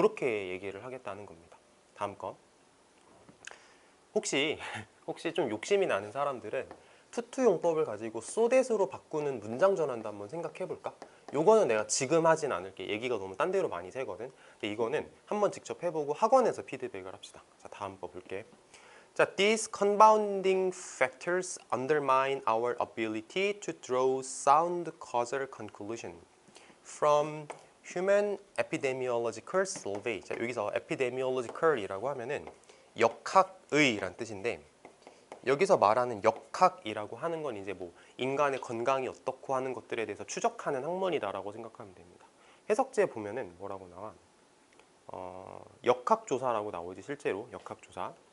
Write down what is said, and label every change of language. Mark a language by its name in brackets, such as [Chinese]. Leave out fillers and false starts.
[Korean] 이렇게 얘기를 하겠다는 겁니다. 다음 건 혹시 좀 욕심이 나는 사람들은 투투 용법을 가지고 쏘댓으로 바꾸는 문장 전환도 한번 생각해 볼까? 요거는 내가 지금 하진 않을게. 얘기가 너무 딴 데로 많이 새거든. 근데 이거는 한번 직접 해보고 학원에서 피드백을 합시다. 자, 다음 거 볼게. [English] 자, these confounding factors undermine our ability to draw sound causal conclusion from human epidemiological survey. [Korean] 자, 여기서 epidemiological이라고 하면은 역학의란 뜻인데, 여기서 말하는 역학이라고 하는 건 이제 뭐 인간의 건강이 어떻고 하는 것들에 대해서 추적하는 학문이다라고 생각하면 됩니다. 해석지에 보면은 뭐라고 나와? 역학조사라고 나오지, 실제로 역학조사.